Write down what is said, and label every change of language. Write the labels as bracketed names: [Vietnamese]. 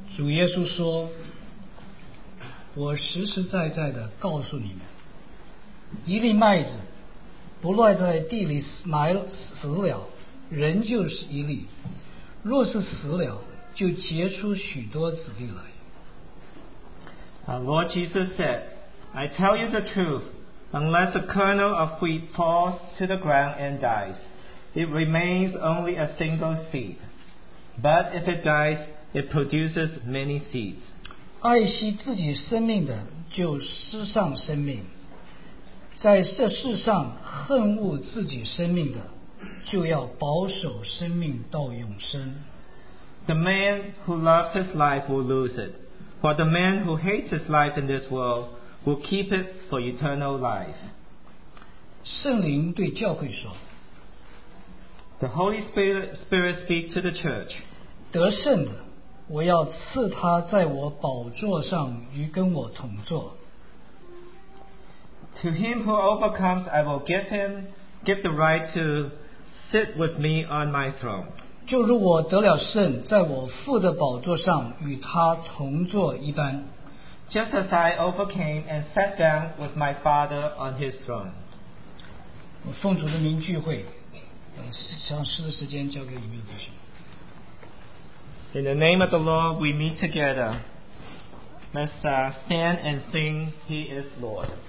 [Chinese] 耶稣说，我实实在在的告诉你们，一粒麦子不落在地里埋死了，人就是一粒，若是死了，就结出许多子粒来。 [English] Lord Jesus said, I tell you the truth, unless a kernel of wheat falls to the ground and dies, it remains only a single seed. But if it diesIt produces many seeds. [Chinese] 爱惜自己生命的就失丧生命，在这世上恨恶自己生命的就要保守生命到永生。 [English] The man who loves his life will lose it, for the man who hates his life in this world will keep it for eternal life. [Chinese] 圣灵对教会说， [English] The Holy Spirit speaks to the church. [Chinese] 得胜的我要赐他在我宝座上与跟我同坐。 [English] To him who overcomes, I will give the right to sit with me on my throne. [Chinese] 就如我得了胜，在我父的宝座上与他同坐一般。 [English] Just as I overcame and sat down with my father on his throne. [Chinese] 我奉主的名聚会，将诗的时间交给你们弟兄。 [English] In the name of the Lord, we meet together. Let's stand and sing, He is Lord.